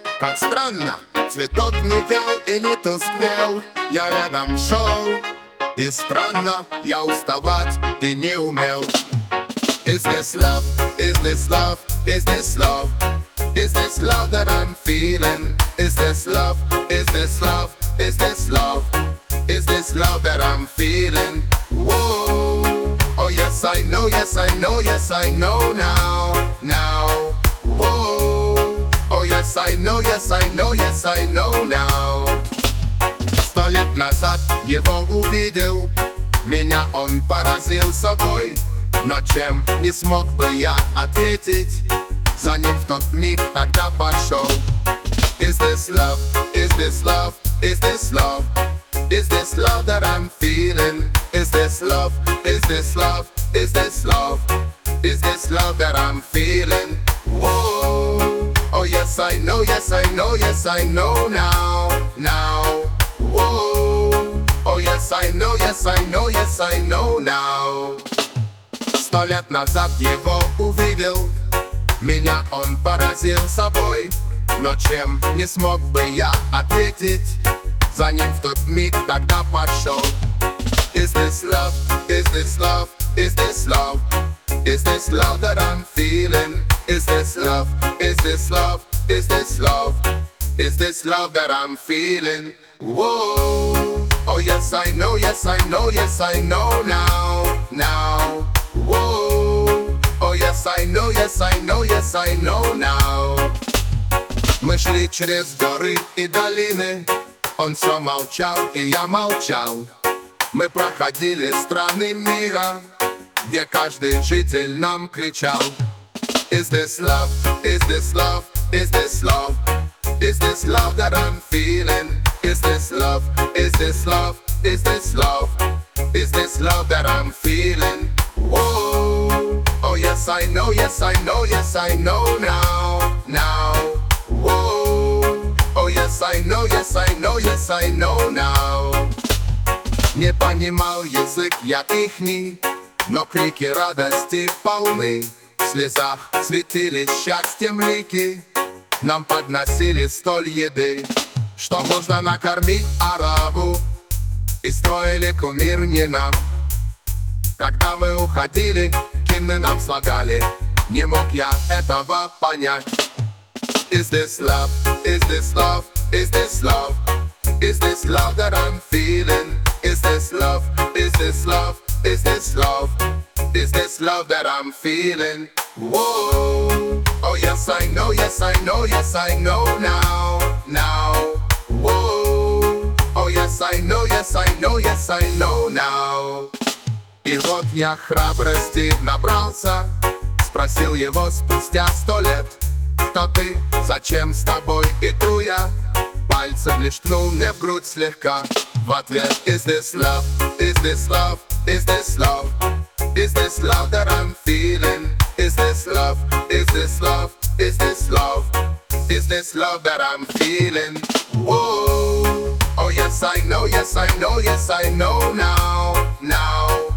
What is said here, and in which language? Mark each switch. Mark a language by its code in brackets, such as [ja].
[ru] Как странно, цветок не вял и не тускнел. Я рядом шел, и странно, я уставать и не умел. [en] Is this love, is this love, is this love? Is this love that I'm feeling? Is this love, is this love, is this love? Is this love that I'm feeling? Whoa. Oh yes I know, yes I know, yes I know now, now. Whoa. Oh yes I know, yes I know, yes I know now. [ru] 100 лет назад его увидел, меня он поразил собой. Но чем не смог бы я ответить, за ним в тот миг тогда пошел. [en] Is this love, is this love, is this love? Is this love that I'm feeling? Is this love, is this love, is this love? Is this love that I'm feeling? Whoa. Oh yes I know, yes I know, yes I know now, now. Whoa. Oh yes I know, yes I know, yes I know now. [ru] 100 лет назад его увидел, меня он поразил собой. Но чем не смог бы я ответить, за ним в тот миг тогда пошел. [en] Is this love, is this love, is this love? Is this love that I'm feeling? Is this love, is this love, is this love? Is this love that I'm feeling? Whoa. Oh yes I know, yes I know, yes I know now, now. Whoa. Oh yes I know, yes I know, yes I know now. [ru] Мы шли через горы и долины, он все молчал и я молчал. Мы проходили страны мира, где каждый житель нам кричал. [en] Is this love, is this love, is this love? Is this love that I'm feeling? Is this love, is this love, is this love? Is this love that I'm feeling? Whoa. Oh yes I know, yes I know, yes I know now, now. Whoa. Oh yes I know, yes I know, yes I know now. [ru] Не понимал язык я ихний, но крики радости полны. В слезах светились счастьем лики, нам подносили столь еды. Что можно накормить арабу, и строили кумир не нам. Когда мы уходили, гимны нам слагали, не мог я этого понять. [en] Is this love, is this love, is this love? Is this love that I'm feeling? Is this love, is this love, is this love? Is this love that I'm feeling? Whoa. Oh yes I know, yes I know, yes I know now, now. Whoa. Oh yes I know, yes I know, yes I know now. [ru] И вот я храбрости набрался, спросил его спустя 100 лет. Кто ты? Зачем с тобой иду я? Пальцем лишь ткнул мне в грудь слегка. В ответ: [en] Is this love? Is this love? Is this love? Is this love that I'm feeling? Is this love? Is this love? Is this love? Is this love that I'm feeling? Whoa. Oh yes I know, yes I know, yes I know now, now.